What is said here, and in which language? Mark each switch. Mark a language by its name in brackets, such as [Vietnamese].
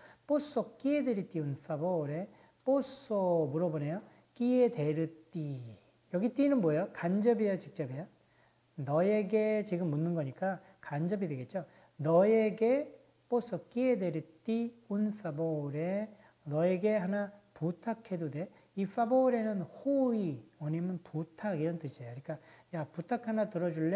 [Italian] Posso chiederti un favore? [Korean] Posso 물어보네요. Chiederti. 여기 띠는 뭐예요? 간접이에요, 직접이에요? 너에게 지금 묻는 거니까 간접이 되겠죠? [Italian] 너에게 Posso chiederti un favore? [Korean] 너에게 하나 부탁해도 돼? 이 favore는 호의, 아니면 부탁 이런 뜻이에요. 그러니까 야 부탁 하나 들어줄래?